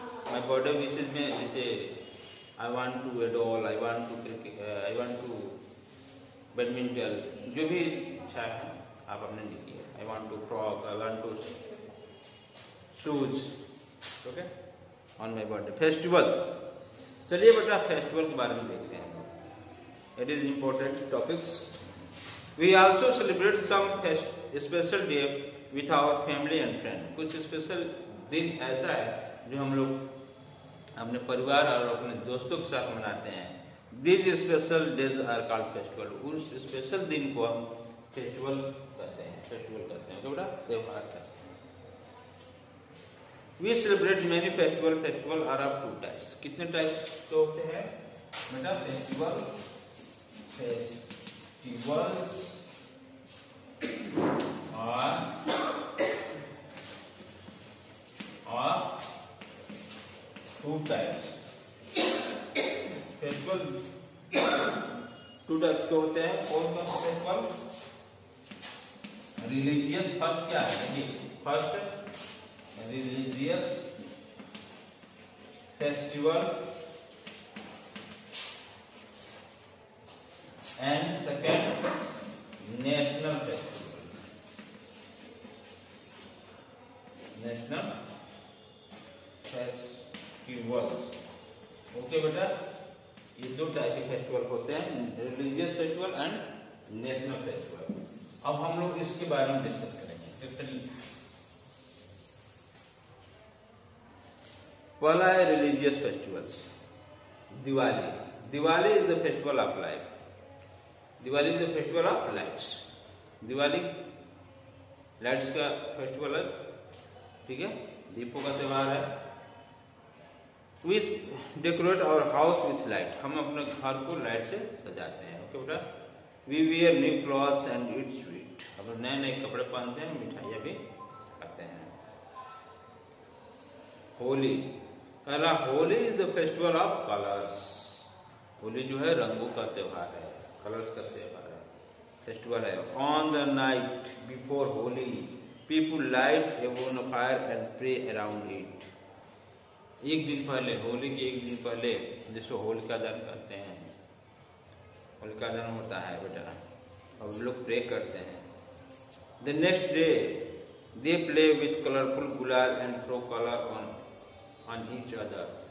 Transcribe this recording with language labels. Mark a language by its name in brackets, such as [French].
[English] my birthday wishes में जैसे I want to a doll, I want to cricket, I want to badminton, [Hindi] जो भी इच्छा है आप अपने लिखिए. [English] I want to frock, I want to shoes. Okay, on my birthday. [Hindi] Festivals, चलिए बेटा फेस्टिवल के बारे में देखते हैं. [English] It is important topics. We also celebrate some special day with our family and friends. [Hindi] कुछ special दिन ऐसा है जो हम लोग अपने परिवार और अपने दोस्तों के साथ मनाते हैं. [English] These special days are called festival. [Hindi] उस special दिन को हम festival कहते हैं. Festival कहते हैं, बेटा त्योहार कहते हैं. [English] We celebrate many festival. Festival are of two types. [Hindi] कितने types के होते हैं बेटा? [English] Festival Festivals are two types. [Hindi] Festival two types के होते हैं. कौन कौन से festival? [English] Religious first [Hindi] क्या है? [English] ये first religious festival. And second national festival. National festivals. Okay, beta. [Hindi] ये दो type के festival होते हैं, [English] religious festival and national festival. [Hindi] अब हम लोग इसके बारे में discuss करेंगे. पहला है religious festivals. [English] Diwali. Diwali is the festival of life. Diwali is the festival of lights. [Hindi] Diwali lights का फेस्टिवल है, ठीक है, दीपों का त्यौहार है. [English] We decorate our house with light. [Hindi] हम अपने घर को लाइट से सजाते हैं. [English] Okay बेटा, we wear new clothes and eat sweet. [Hindi] अब नए नए कपड़े पहनते हैं, मिठाइयां भी खाते हैं. होली, कला. [English] Holi is the festival of colours. [Hindi] Holi जो है रंगों का त्यौहार है. कलर्स करते हैं [English] festival I have. On the night before Holi, people light a bonfire and pray around it. [Hindi] एक दिन पहले होली के एक दिन पहले जिसको होलिका दहन करते हैं, होलिका दहन होता है बेटा, अब लोग प्रे करते हैं. [English] The next day they play with colourful gulal and throw colour on each other.